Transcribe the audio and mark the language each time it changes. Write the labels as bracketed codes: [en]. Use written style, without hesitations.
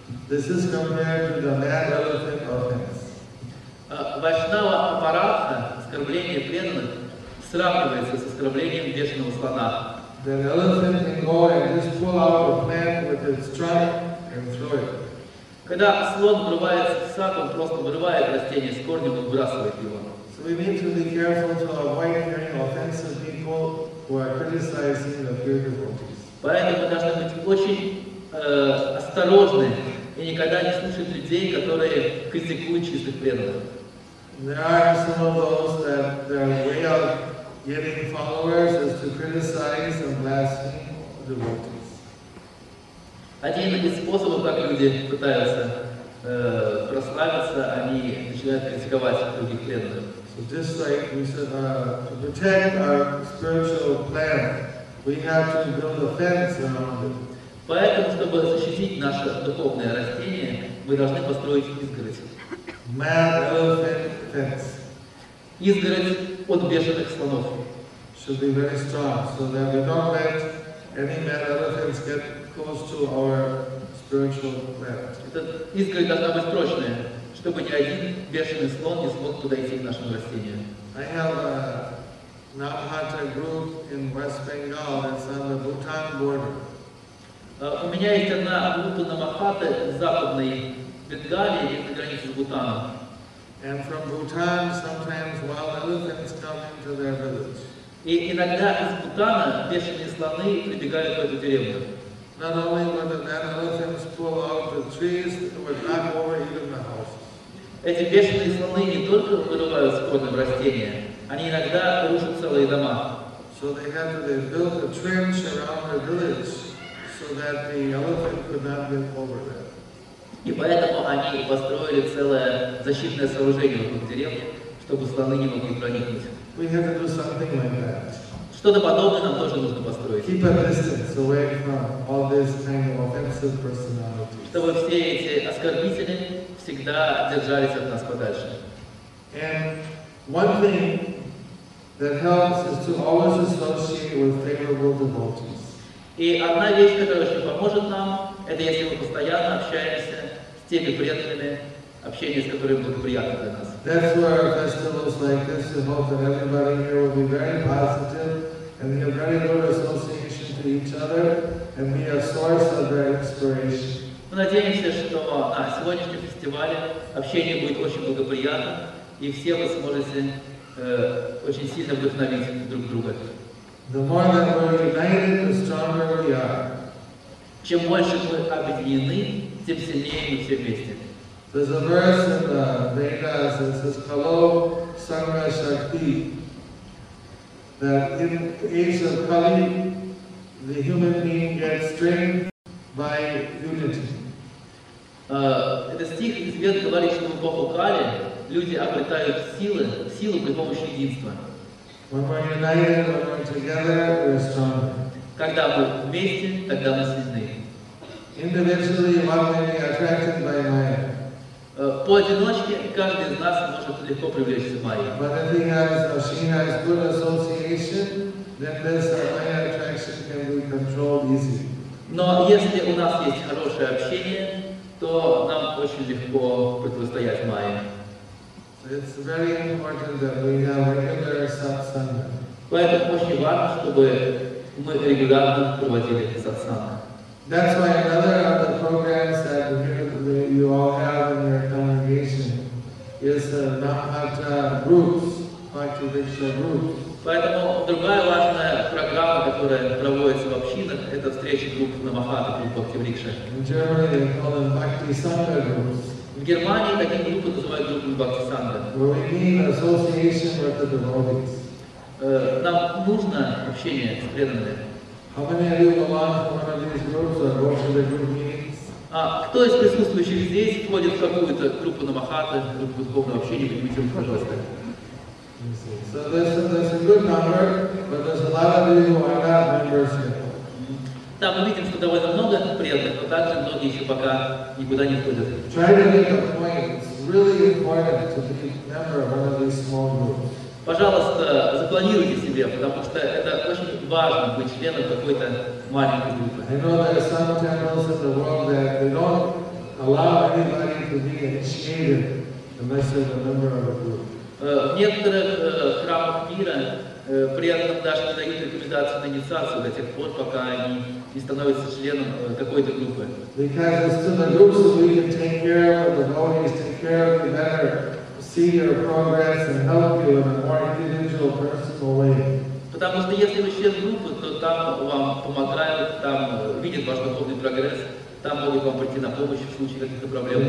[en] This is compared to the mad elephant offense. [ru] Vaishnava Apurada, оскорбление преданных, сравнивается с оскорблением бешеного слона. [en] The elephant can go and just pull out a plant with its trunk and throw it. [ru] Когда слон врывается в сад, он просто вырывает растение с корнем и выбрасывает его. [en] So we need to be careful to avoid hearing offensive people who are criticizing the pure devotees. [ru] Поэтому мы должны быть очень осторожны и никогда не слушать людей, которые критикуют чистых преданных. [en] There are some of those that their way of getting followers is to criticize and blaspheme the devotees. [ru] Один из способов, как люди пытаются прославиться, они начинают критиковать других преданных. [en] So just like we said, to protect our spiritual plant, we have to build a fence around it. [ru] Поэтому, чтобы защитить наше духовное растение, мы должны построить изгородь. [en] Mad elephant fence. [ru] Изгородь от бешеных слонов. [en] Should be very strong, so that we don't let any mad elephants get close to our spiritual plant. [ru] Эта изгородь должна быть прочная, чтобы ни один бешеный слон не смог подойти к нашему растению. [en] I have a Nāmahaṭṭa group in West Bengal, it's on the Bhutan border. [ru] У меня есть одна группа Нāmahaṭṭa в западной Бенгалии, это граница с Бутаном. [en] And from Bhutan, sometimes wild elephants come into their village. [ru] И иногда из Бутана бешеные слоны прибегали в эту деревню. [en] Not only would the elephants pull out the trees, they would knock over even the houses. [ru] Эти бешеные слоны не только вырывают скотные растения, они иногда рушат целые дома. [en] So they had to build a trench around the village so that the elephant could not get over there. [ru] И поэтому они построили целое защитное сооружение вокруг деревни, чтобы слоны не могли проникнуть. [en] We have to do something like that. [ru] Что-то подобное нам тоже нужно построить. [en] Keep a distance away from all these kind of offensive personalities. [ru] Чтобы все эти оскорбители всегда держались от нас подальше. [en] And one thing that helps is to always associate with favorable devotees. [ru] И одна вещь, которая очень поможет нам, это если мы постоянно общаемся с теми преданными, общение с которыми будет приятно для нас. [en] That's why our festivals like this, we hope that everybody here will be very positive and have very good association to each other and be a source of their inspiration. [ru] Мы надеемся, что на сегодняшнем фестивале общение будет очень благоприятно, и все вы сможете очень сильно вдохновить друг друга. [en] The more that we're united, the stronger we are. [ru] Чем больше мы объединены, тем сильнее мы все вместе. [en] There's a verse in the Vedas that says, [sa] Kalo Sangha Shakti, [en] that in the age of Kali, the human being gets strength by unity. [ru] Это стих из Вед говорит, что в эпоху Кали люди обретают силу при помощи единства. [en] When we're united, when we're together, we're stronger. [ru] Когда мы вместе, тогда мы сильны. [en] Individually, one may be attracted by Maya. [ru] Поодиночке каждый из нас может легко привлечься Майя. [en] But if he has or she has good association, then this Maya attraction can be controlled easily. [ru] Но если у нас есть хорошее общение, то нам очень легко противостоять Майе. [en] It's very important that we have regular satsanga. [ru] Поэтому очень важно, чтобы мы регулярно проводили сатсанга. [en] That's why another of the programs that you all have in your congregation is the Nāmahaṭṭa groups, Bhakti-Riksha groups. [ru] Поэтому другая важная программа, которая проводится в общинах, это встречи групп Nāmahaṭṭa и Bhakti-Riksha. [en] In Germany they call them Bhakti-Sangha groups. [ru] В Германии такие группы называют группами Бхакти-санга. [en] Where we need association with the devotees. [ru] Нам нужно общение с преданными. [en] How many of you belong to one of these groups or go to the group meetings? [ru] Кто из присутствующих здесь входит в какую-то группу Nāmahaṭṭa, группу духовного общения, поднимите руку, пожалуйста. [en] So there's a good number, but there's a lot of you who are not members yet. [ru] Да, мы видим, что довольно много преданных, но также многие еще пока никуда не входят. [en] Try to make a point. It's really important to be a member of one of these small groups. [ru] Пожалуйста, запланируйте себе, потому что это очень важно, быть членом какой-то маленькой группы. [en] I know there are some temples in the world that they don't allow anybody to be initiated unless they're a member of a group. [ru] В некоторых храмах мира преданным даже не дают рекомендации на инициацию до тех пор, пока они не становятся членом какой-то группы. [en] Because it's to the groups that we can take care of, the devotees take care of you better. See your progress and help you in a more individual, personal way. [ru] Потому что если вы член группы, то там вам помогают, там видят ваш духовный прогресс, там могут вам прийти на помощь в случае каких-то проблем.